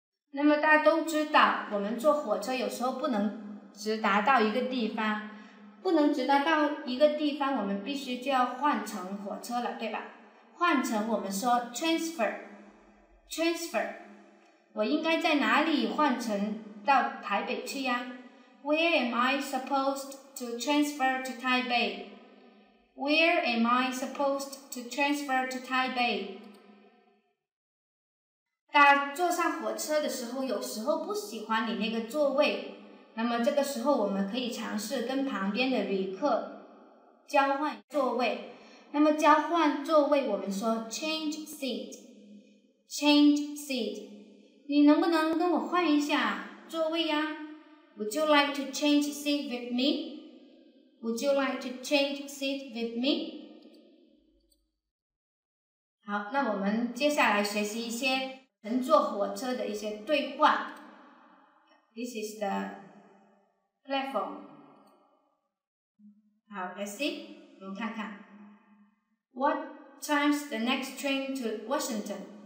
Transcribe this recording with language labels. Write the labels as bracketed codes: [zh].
[zh] 那么大家都知道，我们坐火车有时候不能直达到一个地方，不能直达到一个地方，我们必须就要换乘火车了，对吧？换乘我们说 [en] transfer, transfer. [zh] 我应该在哪里换乘到台北去呀？ [en] Where am I supposed to transfer to Taipei? Where am I supposed to transfer to Taipei? [zh] 大家坐上火车的时候，有时候不喜欢你那个座位，那么这个时候我们可以尝试跟旁边的旅客交换座位。那么交换座位我们说 [en] change seat, change seat. [zh] 你能不能跟我换一下？座位呀。 [en] Would you like to change seat with me? Would you like to change seat with me? [zh] 好，那我们接下来学习一些乘坐火车的一些对话。 [en] This is the platform. [zh] 好 [en] ，Let's see， [zh] 我们看看。 [en] What time's the next train to Washington?